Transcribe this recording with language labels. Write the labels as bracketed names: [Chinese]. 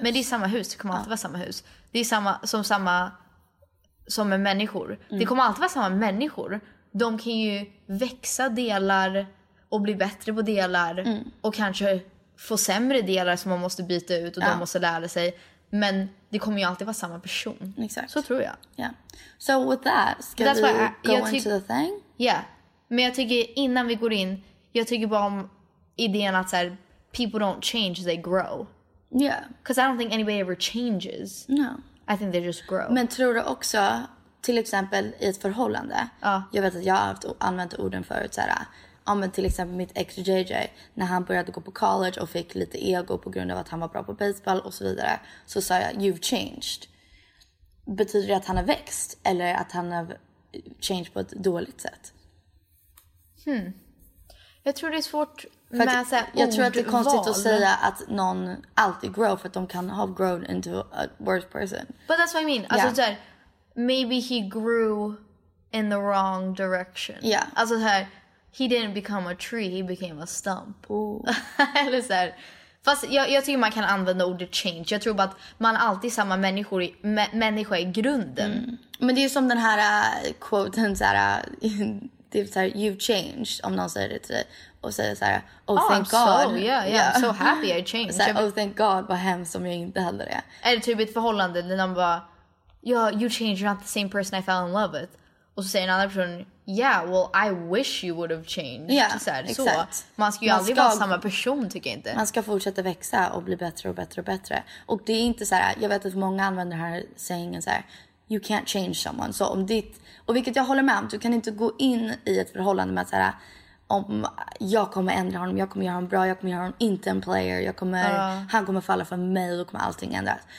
[Swedish] Men det är samma hus. Det kommer alltid vara samma hus. Det är samma som med människor. Mm. Det kommer alltid vara samma människor. De kan ju växa delar... och bli bättre på delar. Mm. Och kanske få sämre delar som man måste byta ut. Och de måste lära sig. Men det kommer ju alltid vara samma person. Exakt. Så tror jag. [English] Yeah. So with that, ska That's vi go into the thing? Yeah. [Swedish] Men jag tycker innan vi går in. Jag tycker bara om idén att så här, [English] people don't change, they grow. Yeah. Because I don't think anybody ever changes. No. I think they just grow. [Swedish] Men tror du också... till exempel i ett förhållande. Ja. Jag vet att jag har använt orden förut så här... ja, men till exempel mitt ex JJ, när han började gå på college och fick lite ego på grund av att han var bra på baseball och så vidare, så sa jag, [English] you've changed. [Swedish] Betyder det att han har växt eller att han har changed på ett dåligt sätt? Jag tror det är svårt med att säga ord, jag tror att det är konstigt att säga att någon alltid grow, för att de kan [English] have grown into a worse person. But that's what I mean. [Swedish] Alltså så här, [English] maybe he grew in the wrong direction. Yeah. Alltså så här, he didn't become a tree, he became a stump. [Swedish] Eller så här. Fast jag tycker man kan använda ordet change. Jag tror bara att man alltid är samma människor människa i grunden. Mm. Men det är ju som den här quoten, så här, det är så här, [English] you've changed, [Swedish] om någon säger det till dig. Och säger så här, [English] oh thank I'm god. So, yeah. I'm so happy I changed. [Swedish] Så här, [English] oh thank god, [Swedish] vad hemskt om jag inte heller det. Eller typ ett förhållande där någon bara, [English] yeah, you changed, you're not the same person I fell in love with. [Swedish] Och så säger en annan person, [English] yeah, well, I wish you would have changed. Yeah, [Swedish] så här, exakt. Så, man ska ju aldrig vara samma person, tycker jag inte. Man ska fortsätta växa och bli bättre och bättre och bättre. Och det är inte så här, jag vet att många använder den här sayingen så här, [English] you can't change someone. [Swedish] Så om ditt, och vilket jag håller med om, du kan inte gå in i ett förhållande med så här, om jag kommer ändra honom, jag kommer göra honom bra, jag kommer göra honom inte en player, jag kommer, han kommer falla för mig och då kommer allting ändras.